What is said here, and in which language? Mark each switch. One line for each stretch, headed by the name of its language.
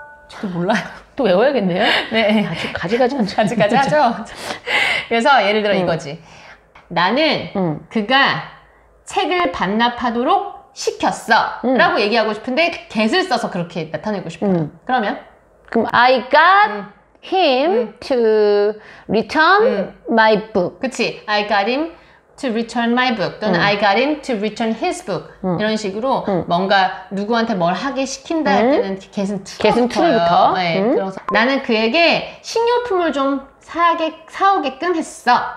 Korean: 저도 몰라요. 또 외워야겠네요. 네. 가지가지 하죠. 그래서 예를 들어 이거지. 나는 그가 책을 반납하도록 시켰어. 라고 얘기하고 싶은데 get을 써서 그렇게 나타내고 싶어요. 그러면?
English: 그럼 I got him to return my book.
Korean: 그치.
English: I got him to return my book. 또는 I got him to return his book.
Korean: 이런 식으로 뭔가 누구한테 뭘 하게 시킨다 할 때는 get은 to부터. get은 to부터. 나는 그에게 식료품을 좀 사오게끔 했어.